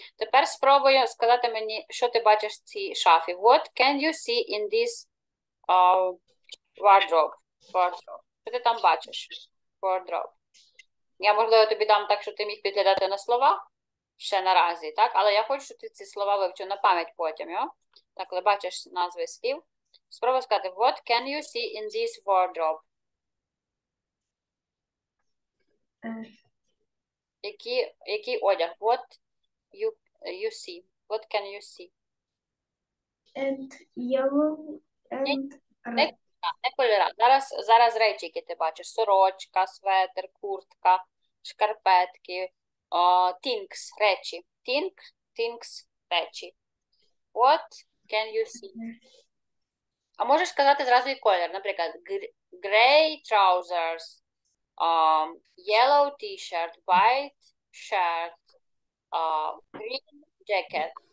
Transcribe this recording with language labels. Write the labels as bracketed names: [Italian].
[Ukrainian] Тепер спробую сказати мені, що ти бачиш в цій шафі. [English] What can you see in this wardrobe? [Ukrainian] Що ти там бачиш? Wardrobe. Я, можливо, тобі дам так, що ти міг підглядати на слова, ще наразі, так? Але я хочу, щоб ти ці слова вивчив на пам'ять потім, йо? Так, коли бачиш назви слів. Спробуй сказати, [English] what can you see in this wardrobe? [Ukrainian] Який одяг? [English] What you see? What can you see? And yellow and red. [Ukrainian] Не кольора. Зараз речі, які ти бачиш. Сорочка, светр, куртка, шкарпетки, things, речі. Things, речі. [English] What can you see? [Ukrainian] А можеш сказати зразу і колір. [English] Наприклад, gray trousers, yellow t-shirt, white shirt, green jacket.